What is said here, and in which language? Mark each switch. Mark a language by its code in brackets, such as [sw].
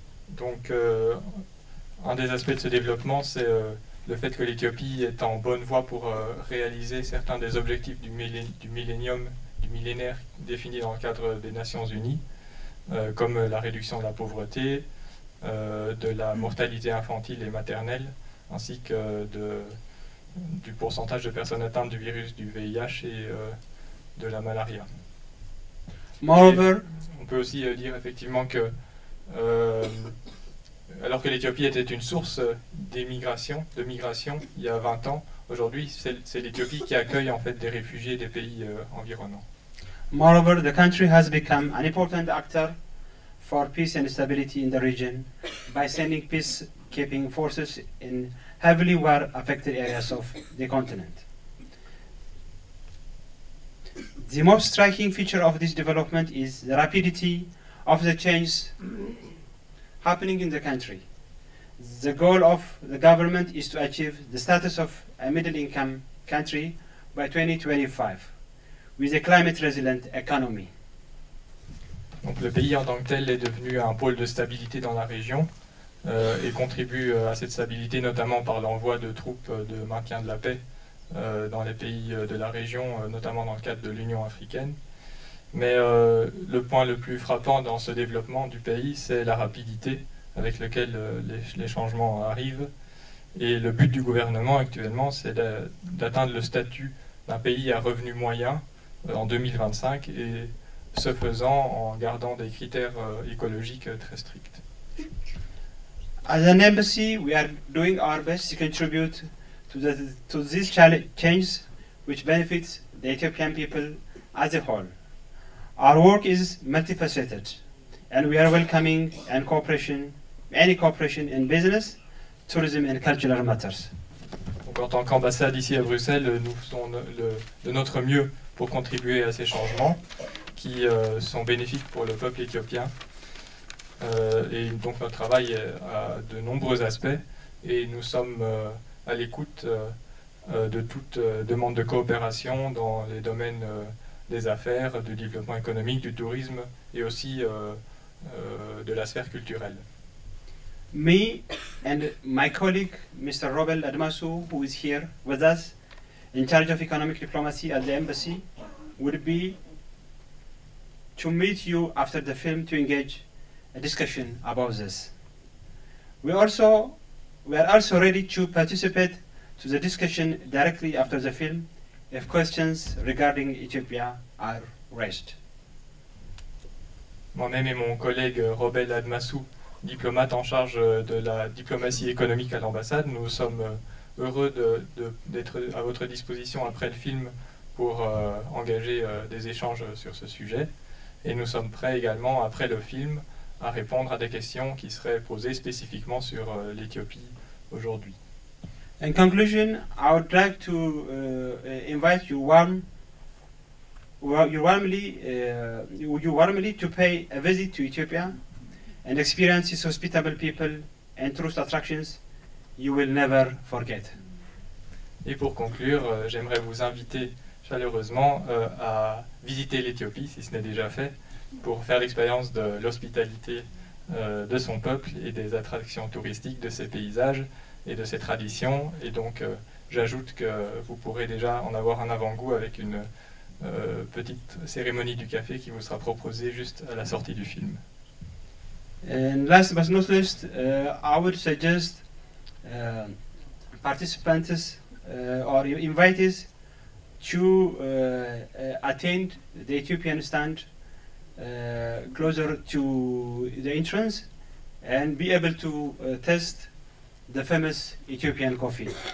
[fr] Donc, un des aspects de ce développement, c'est le fait que l'Éthiopie est en bonne voie pour réaliser certains des objectifs du millénaire défini dans le cadre des Nations Unies, comme la réduction de la pauvreté, de la mortalité infantile et maternelle, ainsi que du pourcentage de personnes atteintes du virus du VIH et de la malaria. [en] Moreover, [fr] on peut aussi dire effectivement que alors que l'Éthiopie était une source de migration il y a 20 ans, aujourd'hui c'est l'Éthiopie qui accueille en fait des réfugiés des pays environnants. [en] Moreover, the country has become an important actor for peace and stability in the region by sending peacekeeping forces in heavily war-affected areas of the continent. The most striking feature of this development is the rapidity of the change happening in the country. The goal of the government is to achieve the status of a middle-income country by 2025, with a climate-resilient economy. [fr] Donc le pays en tant que tel est devenu un pôle de stabilité dans la région. Et contribue à cette stabilité notamment par l'envoi de troupes de maintien de la paix dans les pays de la région, notamment dans le cadre de l'Union africaine. Mais le point le plus frappant dans ce développement du pays, c'est la rapidité avec laquelle les changements arrivent. Et le but du gouvernement actuellement, c'est d'atteindre le statut d'un pays à revenu moyen en 2025, et ce faisant en gardant des critères écologiques très stricts. [en] As an embassy, we are doing our best to contribute to these changes which benefits the Ethiopian people as a whole. Our work is multifaceted, and we are welcoming any cooperation in business, tourism and cultural matters. [fr] Donc, en tant qu'ambassade ici à Bruxelles, nous faisons de notre mieux pour contribuer à ces changements qui sont bénéfiques pour le peuple éthiopien. Et donc notre travail a de nombreux aspects et nous sommes à l'écoute de toute demande de coopération dans les domaines des affaires, du développement économique, du tourisme et aussi de la sphère culturelle. [en] Me and my colleague Mr. Robel Admasu, who is here with us in charge of economic diplomacy at the embassy, would be to meet you after the film to engage a discussion about this. We are also ready to participate to the discussion directly after the film if questions regarding Ethiopia are raised. [fr] Moi-même et mon collègue Robel Admasu, diplomate en charge de la diplomatie économique à l'ambassade, nous sommes heureux d'être à votre disposition après le film pour engager des échanges sur ce sujet, et nous sommes prêts également après le film à répondre à des questions qui seraient posées spécifiquement sur l'Éthiopie aujourd'hui. [en] In conclusion, I would like to invite you warmly to pay a visit to Ethiopia and experience its hospitable people and tourist attractions you will never forget. [fr] Et pour conclure, j'aimerais vous inviter chaleureusement à visiter l'Éthiopie si ce n'est déjà fait, pour faire l'expérience de l'hospitalité de son peuple et des attractions touristiques, de ses paysages et de ses traditions. Et donc, j'ajoute que vous pourrez déjà en avoir un avant-goût avec une petite cérémonie du café qui vous sera proposée juste à la sortie du film. [en] And last but not least, I would suggest participants or invitees to attend the Ethiopian stand closer to the entrance and be able to test the famous Ethiopian coffee.